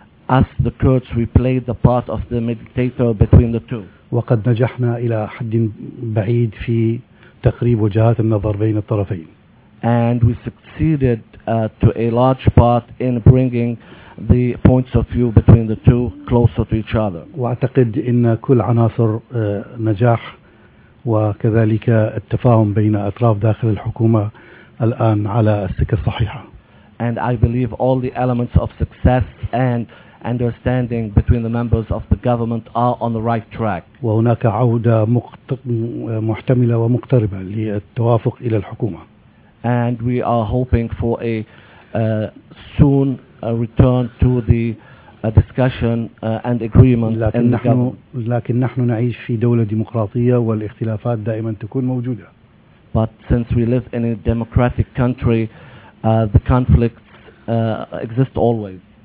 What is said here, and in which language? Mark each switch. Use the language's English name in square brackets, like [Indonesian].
[English] Us the Kurds, we played the part of the mediator between the two. [Arabic] وقد نجحنا إلى حد بعيد في تقريب وجهات النظر بين الطرفين. [English] And we succeeded to a large part in bringing the points of view between the two closer to each other. [Arabic] وأعتقد أن كل عناصر نجاح وكذلك التفاهم بين أطراف داخل الحكومة الآن على السكة الصحيحة. [English] And I believe all the elements of success and understanding between the members of the government are on the right track. [Arabic] وهناك عودة محتملة ومقتربة للتوافق إلى الحكومة. [English] And we are hoping for a soon return to the discussion and agreement. [Arabic] لكن نحن نعيش في دولة ديمقراطية والاختلافات دائما تكون موجودة. [English] But since we live in a democratic country, the conflicts exist always.